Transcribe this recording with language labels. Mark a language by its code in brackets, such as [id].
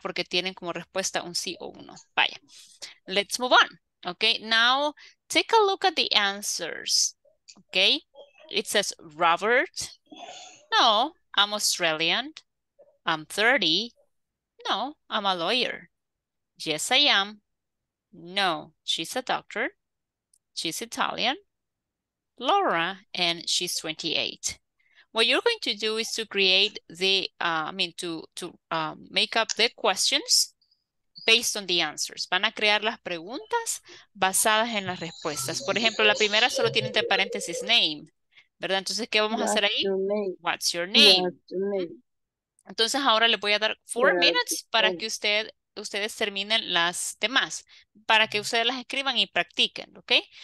[es] Porque tienen como respuesta un sí o uno. [en] Vaya. Let's move on, okay? Now take a look at the answers, okay? It says Robert. No, I'm Australian. I'm 30. No, I'm a lawyer. Yes, I am. No, she's a doctor. She's Italian. Laura, and she's 28. What you're going to do is to create the, make up the questions based on the answers. [es] Van a crear las preguntas basadas en las respuestas. Por ejemplo, la primera solo tiene entre paréntesis name, ¿verdad? Entonces, ¿qué vamos a hacer ahí? [en] What's your name? [es] Entonces ahora le voy a dar 4 minutes para que ustedes terminen las demás, para que ustedes las escriban y practiquen, ¿ok?